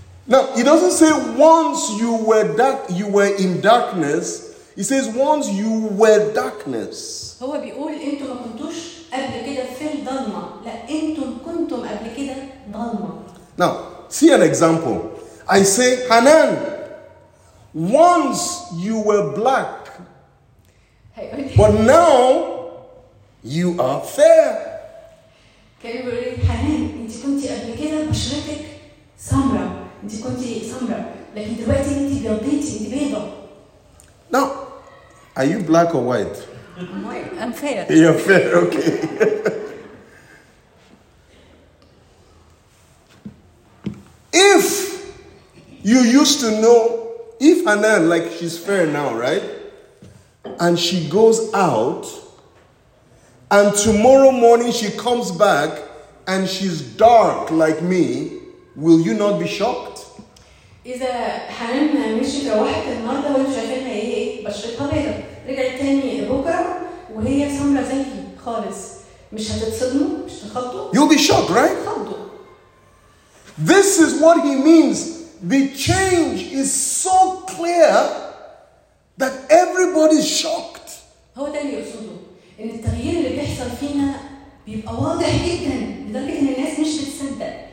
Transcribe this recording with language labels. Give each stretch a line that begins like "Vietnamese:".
English: Now, he doesn't say once you were dark, you were in darkness. He says once you were darkness.
Arabic: هو بيقول انتم ما كنتوش قبل كده في الظلمة. لا, انتم كنتم قبل كده ظلمة.
English: Now, see an example. I say, Hanan, once you were black, but now you are fair.
Arabic: كان يقول لي حنان انت كنتي قبل كده بشرتك سمرا, انت كنتي سمرا, لكن دلوقتي انت بيضيتي, انت بيضة.
English: Now, are you black or white? I'm fair. You're fair, okay. If you used to know, if Hanan, like she's fair now, right? And she goes out, and tomorrow morning she comes back, and she's dark like me, will you not be shocked?
Arabic: إذا حنان مشيت لوحدها النهارده وانت شايفينها ايه بشرتها بيضا, رجعت تاني بكره وهي سمرا زيي خالص, مش هتتصدموا؟ مش تخضوا؟
English: You'll be shocked, right?
Arabic: خضوا.
English: This is what he means. The change is so clear that everybody's shocked.
Arabic: هو ده اللي يقصده, ان التغيير اللي بيحصل فينا بيبقى واضح جدا لدرجه ان الناس مش بتصدق.